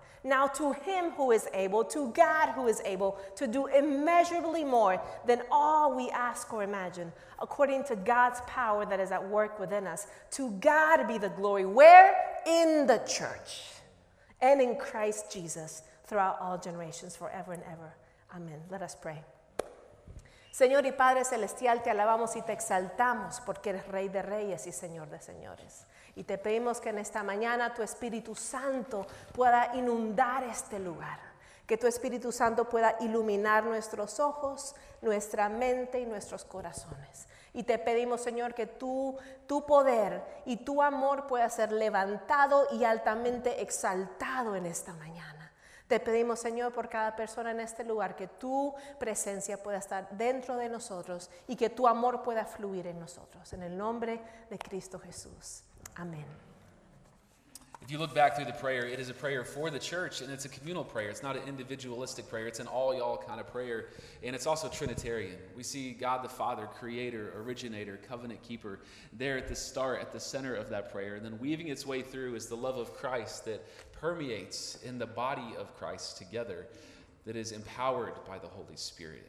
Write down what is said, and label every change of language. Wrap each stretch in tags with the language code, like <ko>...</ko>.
<en>Now to him who is able, to God who is able to do immeasurably more than all we ask or imagine, according to God's power that is at work within us, to God be the glory, where? In the church and in Christ Jesus throughout all generations, forever and ever. Amen. Let us pray.</en> <es>Señor y Padre Celestial, te alabamos y te exaltamos porque eres Rey de Reyes y Señor de Señores. Y te pedimos que en esta mañana tu Espíritu Santo pueda inundar este lugar. Que tu Espíritu Santo pueda iluminar nuestros ojos, nuestra mente y nuestros corazones. Y te pedimos, Señor, que tu poder y tu amor pueda ser levantado y altamente exaltado en esta mañana. Te pedimos, Señor, por cada persona en este lugar, que tu presencia pueda estar dentro de nosotros y que tu amor pueda fluir en nosotros. En el nombre de Cristo Jesús. Amen.</es> <en>If you look back through the prayer, it is a prayer for the church, and it's a communal prayer. It's not an individualistic prayer. It's an all y'all kind of prayer, and it's also Trinitarian. We see God the Father, creator, originator, covenant keeper, there at the start, at the center of that prayer, and then weaving its way through is the love of Christ that permeates in the body of Christ together, that is empowered by the Holy Spirit.</en>